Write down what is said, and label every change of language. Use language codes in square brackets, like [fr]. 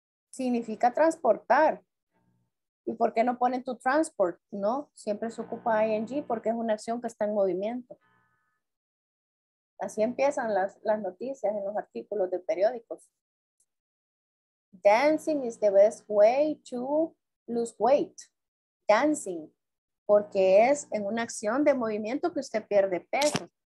[es] Significa transportar. ¿Y por qué no ponen tu transport? No, siempre se ocupa ing porque es una acción que está en movimiento. Así empiezan las noticias en los artículos de periódicos. [en] Dancing is the best way to lose weight. Dancing. [es] Porque es en una acción de movimiento que usted pierde peso.